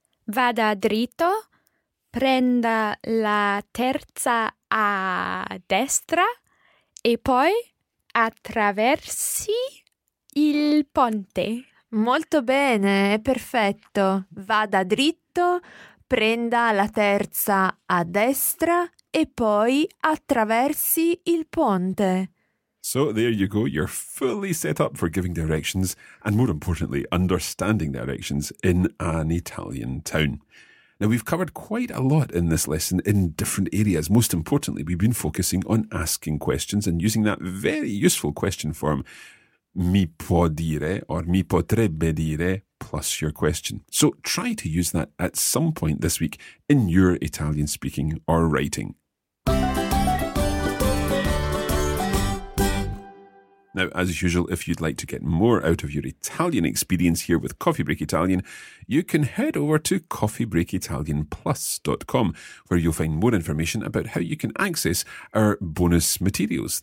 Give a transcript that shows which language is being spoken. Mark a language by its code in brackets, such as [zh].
[it] Vada dritto, prenda la terza a destra, e poi attraversi il ponte. Molto bene, è perfetto. Vada dritto, prenda la terza a destra e poi attraversi il ponte. [en] So there you go. You're fully set up for giving directions and more importantly, understanding directions in an Italian town. Now we've covered quite a lot in this lesson in different areas. Most importantly, we've been focusing on asking questions and using that very useful question form. [it] mi può dire or mi potrebbe dire [en] plus your question. So try to use that at some point this week in your Italian speaking or writing. Now, as usual, if you'd like to get more out of your Italian experience here with Coffee Break Italian, you can head over to coffeebreakitalianplus.com, where you'll find more information about how you can access our bonus materials.